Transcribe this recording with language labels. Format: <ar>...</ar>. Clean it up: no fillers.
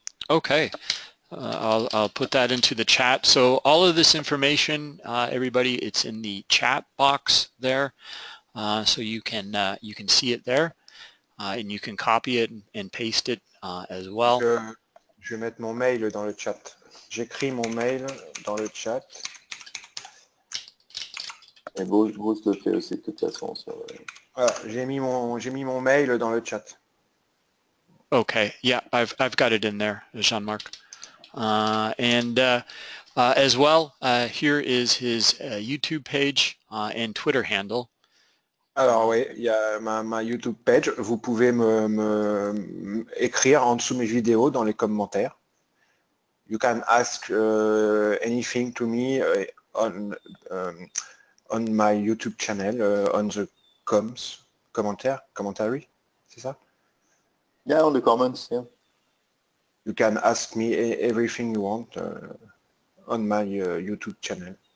<en>Okay. I'll put that into the chat. So all of this information, everybody, it's in the chat box there. So you can see it there, and you can copy it and paste it as well.</en> <fr>Je vais mettre mon mail dans le chat. J'écris mon mail dans le chat. Et Bruce le fait aussi de toute façon. J'ai mis mon mail dans le chat. Okay.</fr> <en>Yeah, I've got it in there, Jean-Marc. As well, here is his YouTube page and Twitter handle.</en> <fr>Alors oui, il y a ma YouTube page. Vous pouvez me écrire en dessous mes vidéos dans les commentaires.</fr> <en>You can ask anything to me on my YouTube channel on the commentary.</en> <fr>C'est ça?</fr> <en>Yeah, on the comments. Yeah. You can ask me everything you want on my YouTube channel.</en>